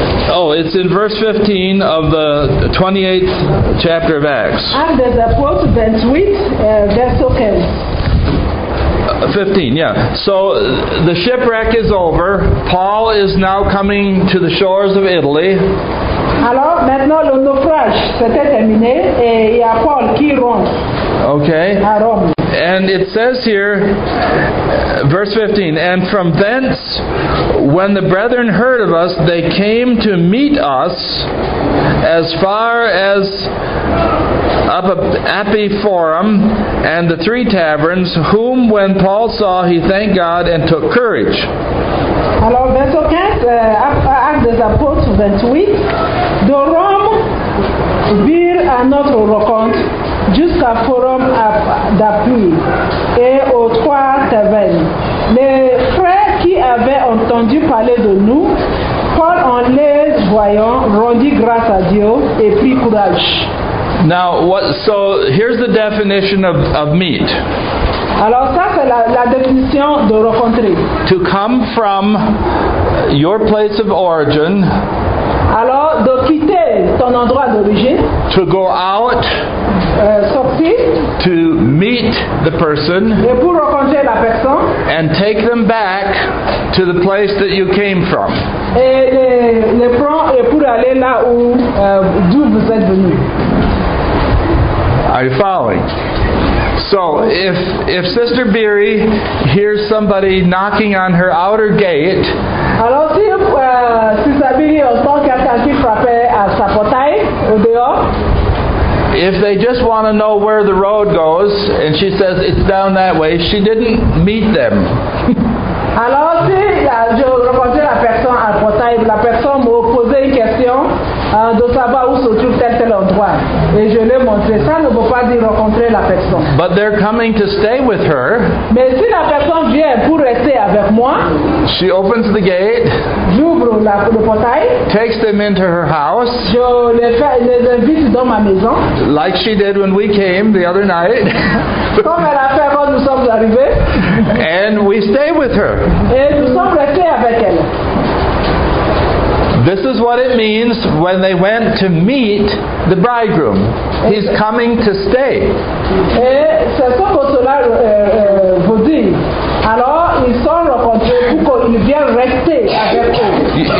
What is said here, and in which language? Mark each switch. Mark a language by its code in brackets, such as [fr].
[en] Oh, it's in verse 15 of the 28th chapter of Acts. Acts chapter 28, verse 15. 15, yeah. So the shipwreck is over. Paul is now coming to the shores of Italy. [fr] Alors, maintenant le naufrage s'était terminé et il y a Paul qui rentre. [en] Okay. [fr] À Rome. [en] And it says here, verse 15, and from thence, when the brethren heard of us, they came to meet us as far as up Appii Forum and the three taverns, whom when Paul saw, he thanked God and took courage. [fr] Alors, verset 15, Actes des Apôtres 28, de Rome virent à notre rencontre jusqu'à Forum d'Appii et aux trois tavernes. Les frères qui avaient entendu parler de nous, Paul en les voyant, rendit grâce à Dieu et prit courage. [en] Now, so here's the definition of meet. [fr] Alors ça c'est la définition de rencontrer. [en] To come from your place of origin. [fr] Alors de quitter ton endroit d'origine. [en] To go out. [fr] Sortir. [en] To meet the person. [fr] Et pour rencontrer la personne. [en] And take them back to the place that you came from. [fr] Et les prendre et pour aller là où d'où vous êtes venu. [en] Are you following? So if Sister Beery hears somebody knocking on her outer gate, [fr] alors si Sister Beery entend quelqu'un qui frappe à sa portail au dehors, [en] if they just want to know where the road goes and she says it's down that way, she didn't meet them. [fr] Alors si je rencontre la personne à portail, la personne me pose une question de savoir où se trouve tel endroit. Et je l'ai montré. Ça ne veut pas dire rencontrer la personne. [en] But they're coming to stay with her. [fr] Mais si la personne vient pour rester avec moi, [en] she opens the gate. [fr] J'ouvre le portail. [en] Takes them into her house. [fr] Je les invite dans ma maison. [en] Like she did when we came the other night. [fr] Comme elle a fait quand nous sommes arrivés. [en] And we stay with her. [fr] Et nous sommes restés avec elle. [en] This is what it means when they went to meet the bridegroom. He's coming to stay. [fr] Et c'est ce que cela vous dit. Alors, ils sont rencontrés pour qu'il vienne rester avec eux.